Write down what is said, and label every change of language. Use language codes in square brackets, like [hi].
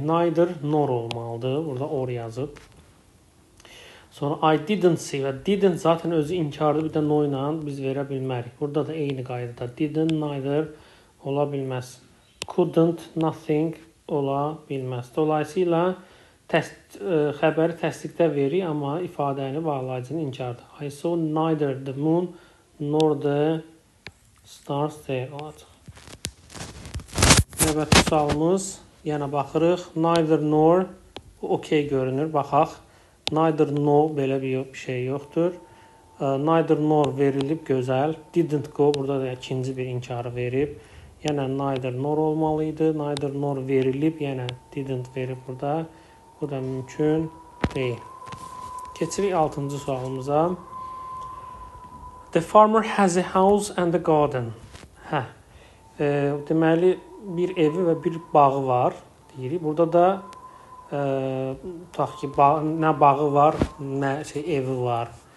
[az] Neither, nor olmalıdır. Burada or yazıb. Sonra [en] I didn't see. [az] Və didn't zaten özü inkardır. Bir də no ilə biz verə bilmərik. Burada da eyni qaydada. Didn't, neither ola bilməz. Couldn't, nothing ola bilməz. Dolayısıyla xəbəri təsdiqdə verir, amma ifadəni bağlayıcını inkardır. [en] I saw neither the moon nor the stars there. [az] Olacaq. Növbəti sualımız. Yəni baxırıq. Neither nor. Okey görünür. Baxaq. Neither no. Belə bir şey yoxdur. Neither nor verilib. Gözəl. Didn't go. Burada da ikinci bir inkarı verib. Yəni neither nor olmalıydı. Neither nor verilib. Yəni didn't verib burada. Bu da mümkün deyil. Keçirik 6-cı sualımıza. [en] The farmer has a house and a garden. [az] Deməli, bir evi və bir bağı var, deyirik. Burada da tutaq ki, nə bağı var, nə şey, evi var.